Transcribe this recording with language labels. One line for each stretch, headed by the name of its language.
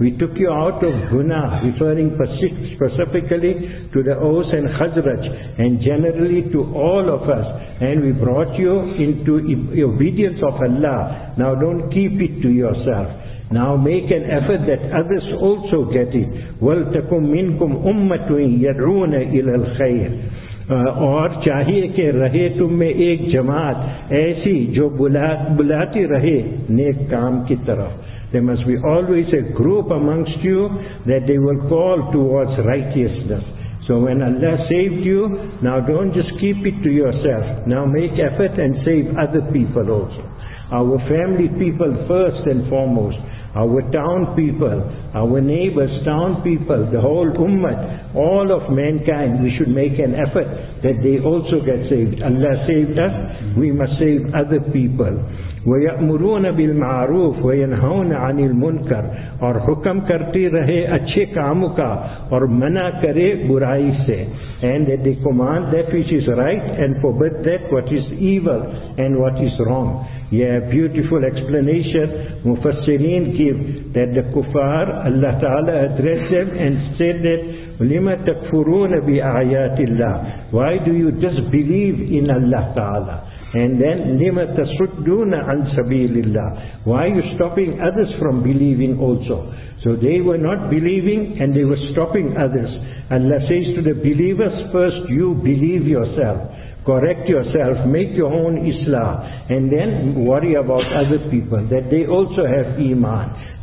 English: We took you out of guna, referring specifically to the Aus and Khazraj, and generally to all of us. And we brought you into obedience of Allah. Now don't keep it to yourself. Now make an effort that others also get it.
Arabic: وَلْتَكُمْ مِنْكُمْ أُمَّةٌ يَدْعُونَ إِلَى الْخَيْرِ
Urdu: اور چاہیے کہ رہے تم میں ایک جماعت ایسی جو بلاتی رہے نیک کام کی طرف.
English: There must be always a group amongst you that they will call towards righteousness. So when Allah saved you, now don't just keep it to yourself. Now make effort and save other people also. Our family people first and foremost, our town people, our neighbors, town people, the whole ummah, all of mankind, we should make an effort that they also get saved. Allah saved us, we must save other people.
Arabic: وَيَأْمُرُونَ بِالْمَعْرُوفِ وَيَنْحَوْنَ عَنِ الْمُنْكَرِ
Urdu: اور حکم کرتی رہے اچھے کاموں کا اور منع کرے برائی سے.
English: And that they command that which is right and forbid that what is evil and what is wrong. Yeah, beautiful explanation Mufassirin give that the kuffar, Allah Ta'ala addressed them and said that
Arabic: لِمَ تَكْفُرُونَ بِآيَاتِ اللَّهِ.
English: Why do you disbelieve in Allah Ta'ala? And then
Arabic: لِمَ تَصُدُّونَ عَنْ سَبِيلِ اللَّهِ.
English: Why are you stopping others from believing also? So they were not believing and they were stopping others. Allah says to the believers, first you believe yourself, correct yourself, make your own Islam, and then worry about other people, that they also have Iman.